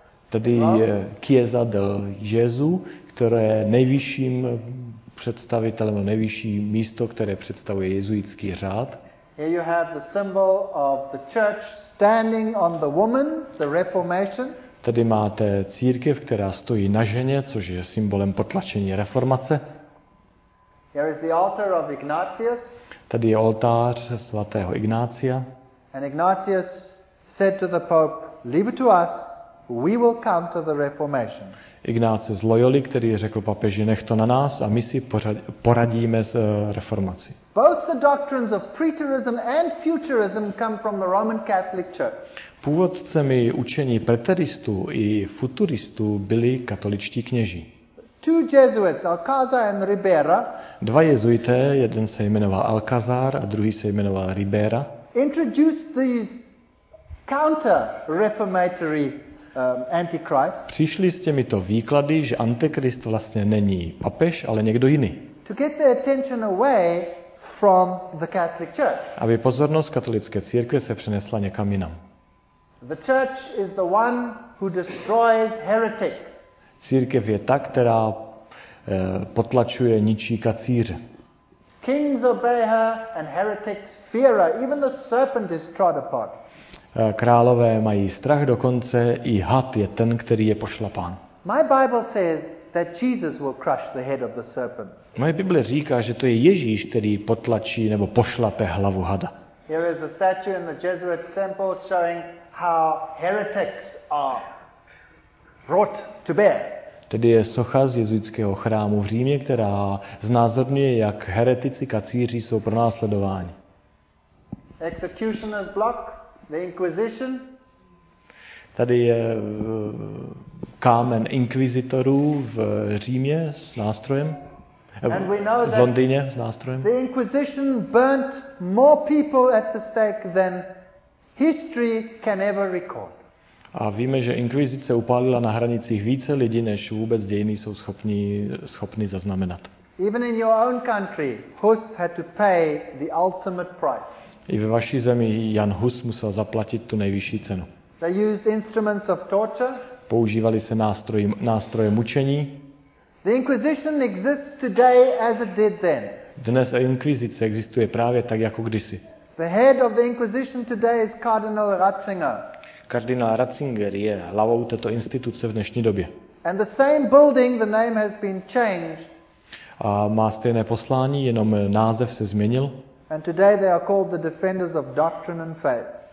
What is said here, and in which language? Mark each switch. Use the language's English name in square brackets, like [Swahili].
[Czech] Tady je Chiesa del Gesù, které je nejvyšším představitelem, nejvyšší místo, které představuje jezuitský řád. [English] Here you have the symbol of the church standing on the woman, the Reformation. [Czech] Tady máte církev, která stojí na ženě, což je symbolem potlačení reformace. [English] Here is the altar of Ignatius. [Czech] Tady je oltář svatého Ignácia. [English] And Ignatius said to the Pope, "Leave it to us, we will come to the Reformation." [Czech] Ignácius Loyoli, který řekl papeži, nech to na nás a my si poradíme s reformací. [English] Both the doctrines of preterism and futurism come from the Roman Catholic Church. [Czech] Původcemi učení preteristů i futuristů byli katoličtí kněží. [English] Two Jesuits, Alcázar and Ribera. [Czech] Dva jezuité, jeden se jmenoval Alcázar a druhý se jmenoval Ribera. [English] Introduced these counter-reformatory antichrist. [Czech] Přišli s těmito výklady, že antikrist vlastně není papež, ale někdo jiný. [English] To get the attention away from the Catholic Church. [Czech] Aby pozornost katolické církve se přenesla někam jinam. [English] The church is the one who destroys heretics. [Czech] Církev je ta, která potlačuje ničí kacíře. [English] Kings obey her and heretics fear her. Even the serpent is trod upon. [Czech] Králové mají strach, dokonce i had je ten, který je pošlapán. [English] My Bible says that Jesus will crush the head of the serpent. [Czech] Moje Bible říká, že to je Ježíš, který potlačí nebo pošlape hlavu hada. [English] Here is a statue in the Jesuit temple showing how heretics are brought to bear. [Czech] Tedy je socha z jezuitského chrámu v Římě, která znázorňuje, jak heretici kacíři jsou pronásledováni. [English] Executioner's block, the Inquisition. [Czech] Tady je kámen inkvizitorů v Římě s nástrojem. [English] And we know [Czech] v Londýně s nástrojem. [English] The Inquisition burnt more people at the stake than history can ever record. [Czech] A víme, že inkvizice upálila na hranicích více lidí, než vůbec dějiny jsou schopni zaznamenat. [English] Even in your own country, Hus had to pay the ultimate price. [Czech] I ve vaší zemi Jan Hus musel zaplatit tu nejvyšší cenu. [English] They used instruments of torture. [Czech] Používali se nástroje mučení. [English] The Inquisition exists today as it did then. [Czech] Dnes inkvizice existuje právě tak, jako kdysi. [English] The head of the Inquisition today is Cardinal Ratzinger. [Czech] Kardinál Ratzinger je hlavou této instituce v dnešní době. [English] And the same building, the name has been changed. [Czech] A má stejné poslání, jenom název se změnil. [English] And today they are called the defenders of doctrine and faith.